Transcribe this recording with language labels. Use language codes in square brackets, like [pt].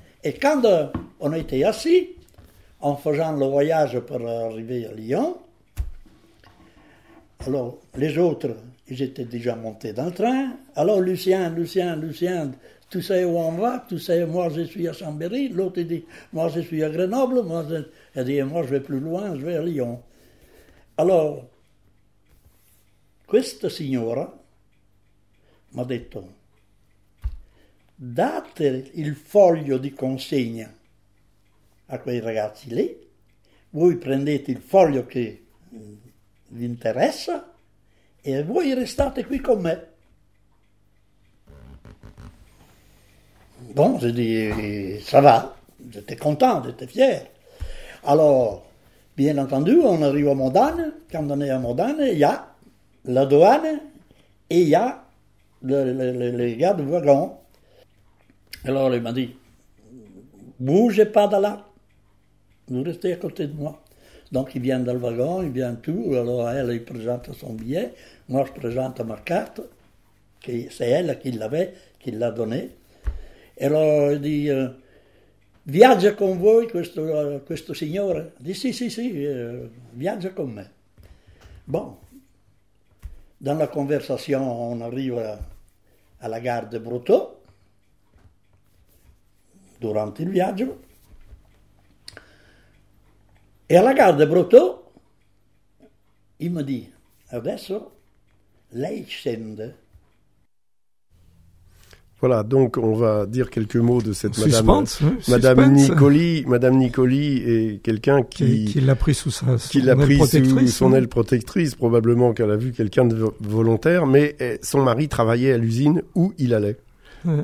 [fr] Et quand on était assis, en faisant le voyage pour arriver à Lyon, alors les autres, ils étaient déjà montés dans le train. Alors Lucien, tu sais où on va, tu sais, moi je suis à Chambéry, l'autre dit, moi je suis à Grenoble, moi je vais plus loin, je vais à Lyon. [it] Alors, questa signora m'ha detto, date il foglio di consegna a quei ragazzi lì, voi prendete il foglio che vi interessa e voi restate qui con me. [fr] Bon, j'ai dit, ça va, j'étais content, j'étais fier. Alors, bien entendu, on arrive à Modane, quand on est à Modane, il y a la douane et il y a les gars de wagon. Alors, il m'a dit, bougez pas de là, vous restez à côté de moi. Donc, il vient dans le wagon, il vient tout, alors elle, il présente son billet, moi, je présente ma carte, que c'est elle qui l'avait, qui l'a donnée. [it] E lui dice, viaggia con voi questo signore? Dice, sì, viaggia con me. [fr] Bon, dans la conversation, on arrive [it] alla gare de Bruto, durante il viaggio, e alla gare de Bruto, il mi dice, adesso lei scende. [fr] Voilà, donc on va dire quelques mots de cette Madame Nicoli est quelqu'un qui l'a pris sous son aile protectrice, probablement qu'elle a vu quelqu'un de volontaire, mais son mari travaillait à l'usine où il allait. Ouais.